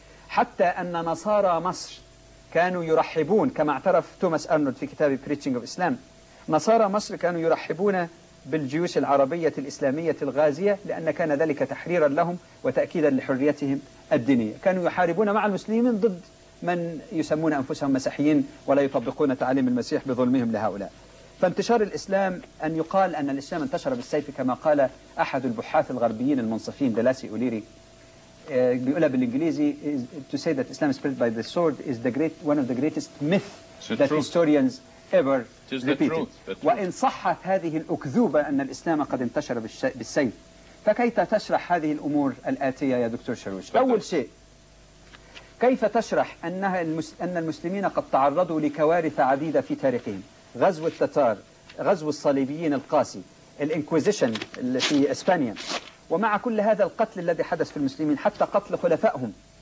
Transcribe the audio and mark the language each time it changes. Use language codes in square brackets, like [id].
[ar] حتى أن نصارى مصر كانوا يرحبون كما اعترف توماس أرنولد في كتاب Preaching of Islam نصارى مصر كانوا يرحبون بالجيوش العربية الإسلامية الغازية لأن كان ذلك تحريرا لهم وتأكيدا لحريتهم الدينية كانوا يحاربون مع المسلمين ضد من يسمون أنفسهم مسيحيين ولا يطبقون تعاليم المسيح بظلمهم لهؤلاء. فانتشار الإسلام أن يقال أن الإسلام انتشر بالسيف كما قال أحد البحاث الغربيين المنصفين دلاسي أوليري بيقوله بالإنجليزي [en] to say that Islam spread by the sword is the great one of the greatest myth that historians ever repeated. [ar] وإن صحت هذه الأكذوبة أن الإسلام قد انتشر بالسيف فكيف تشرح هذه الأمور الآتية يا دكتور شروش؟ أول شيء كيف تشرح أن المسلمين قد تعرضوا لكوارث عديدة في تاريخهم غزو التتار غزو الصليبيين القاسي الانكويزيشن في إسبانيا ومع كل هذا القتل الذي حدث في المسلمين حتى قتل خلفائهم